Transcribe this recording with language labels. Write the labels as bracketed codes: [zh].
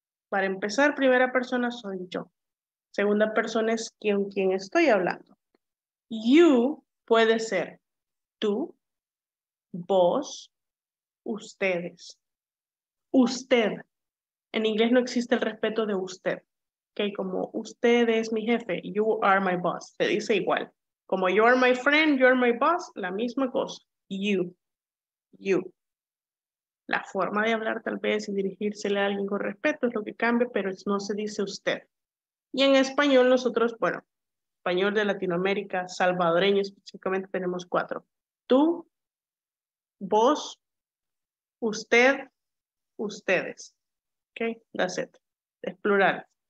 [es] Para empezar, primera persona soy yo. Segunda persona es con quien estoy hablando. You puede ser tú, vos, ustedes. Usted. En inglés no existe el respeto de usted. ¿Okay? Como usted es mi jefe, [en] you are my boss. [es] Se dice igual. Como [en] you are my friend, you are my boss, [es] la misma cosa. [en] You. You. [es] La forma de hablar tal vez y dirigírsele a alguien con respeto es lo que cambia, pero no se dice usted. Y en español nosotros, bueno, español de Latinoamérica, salvadoreño específicamente, tenemos 4. Tú, vos, usted, ustedes. [en] Ok, that's it. [es] Es plural.